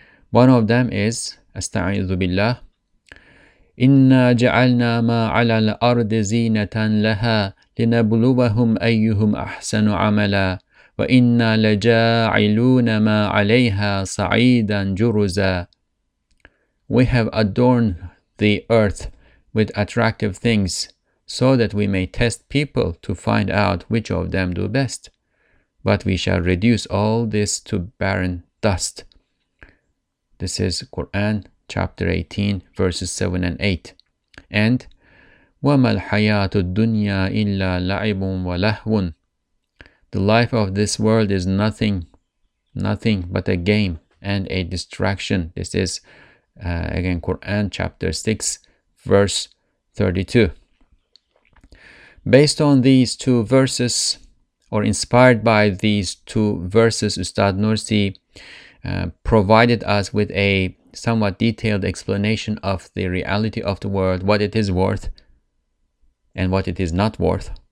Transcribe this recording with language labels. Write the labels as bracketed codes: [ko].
[en] One of them is, [ar] أستعيذ بالله، إِنَّا جَعَلْنَا مَا عَلَى الْأَرْضِ زِينَةً لَهَا لِنَبْلُوَهُمْ أَيُّهُمْ أَحْسَنُ عَمَلًا وَإِنَّا لَجَاعِلُونَ مَا عَلَيْهَا صَعِيدًا جُرُزًا. [en] We have adorned the earth with attractive things so that we may test people to find out which of them do best. But we shall reduce all this to barren dust. This is Quran chapter 18, verses 7 and 8. [ar] And وَمَا الْحَيَاةُ الدُّنْيَا إِلَّا لَعِبٌ وَلَهْوٌ. [en] The life of this world is nothing but a game and a distraction. This is again Quran chapter 6, verse 32. Based on these two verses, or inspired by these two verses, Ustad Nursi provided us with a somewhat detailed explanation of the reality of the world, what it is worth and what it is not worth.